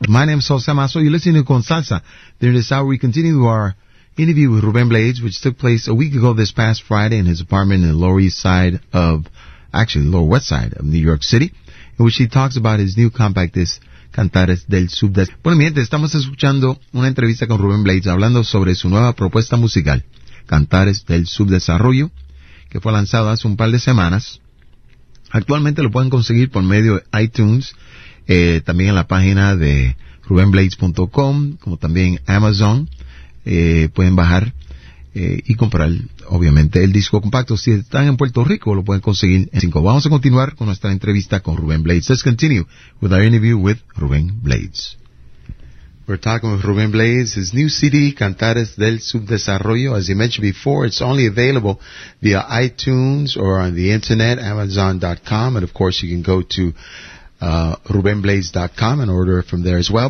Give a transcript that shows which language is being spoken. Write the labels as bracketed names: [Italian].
[English] My name is Jose Maso. You're listening to Constanza. During this hour, we continue our interview with Ruben Blades, which took place a week ago this past Friday in his apartment in the Lower East Side of, actually, Lower West Side of New York City, in which he talks about his new compact disc, Cantares del Subdes. [Spanish] Bueno, mi gente, estamos escuchando una entrevista con Ruben Blades hablando sobre su nueva propuesta musical, Cantares del Subdesarrollo, que fue lanzado hace un par de semanas. Actualmente lo pueden conseguir por medio de iTunes, también en la página de rubenblades.com, como también Amazon. Pueden bajar y comprar, obviamente, el disco compacto. Si están en Puerto Rico, lo pueden conseguir en 5. Vamos a continuar con nuestra entrevista con Ruben Blades. [English] Let's continue with our interview with Ruben Blades. We're talking with Ruben Blades, his new CD, Cantares del Subdesarrollo. As you mentioned before, it's only available via iTunes or on the internet, Amazon.com. And of course, you can go to RubenBlades.com and order it from there as well.